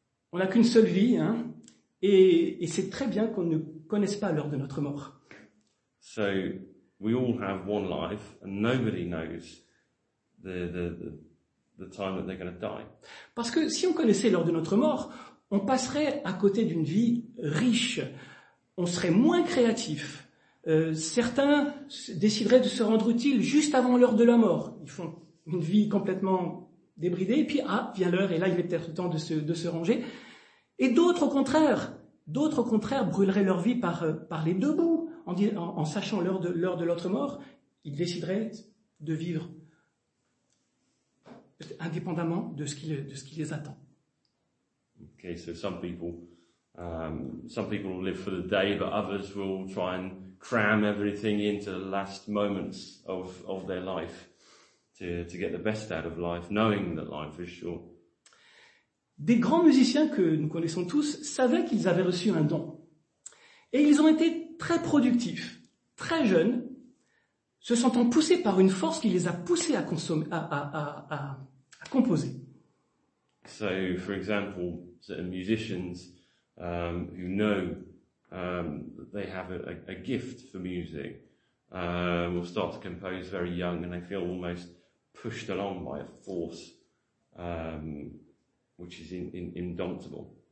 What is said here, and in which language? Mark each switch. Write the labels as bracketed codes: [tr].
[fr] On n'a qu'une seule vie, hein, et c'est très bien qu'on ne connaisse pas l'heure de notre mort. [en] So we all have one life, and nobody knows the time that they're going to die. [fr] Parce que si on connaissait l'heure de notre mort, on passerait à côté d'une vie riche. On serait moins créatif. Certains décideraient de se rendre utile juste avant l'heure de la mort. Ils font une vie complètement débridée, et puis vient l'heure, et là il est peut-être temps de se ranger. Et d'autres au contraire brûleraient leur vie par les deux bouts, en sachant l'heure de l'autre mort. Ils décideraient de vivre indépendamment de ce qui les attend. [en] Okay, so some people will live for the day, but others will try and cram everything into the last moments of their life to get the best out of life, knowing that life is short. [fr] Des grands musiciens que nous connaissons tous savaient qu'ils avaient reçu un don, et ils ont été très productifs, très jeunes, se sentant poussés par une force qui les a poussés à consommer, à composer. [en] So, for example, certain musicians who know that they have a gift for music will start to compose very young, and they feel almost pushed along by a force which is indomptable.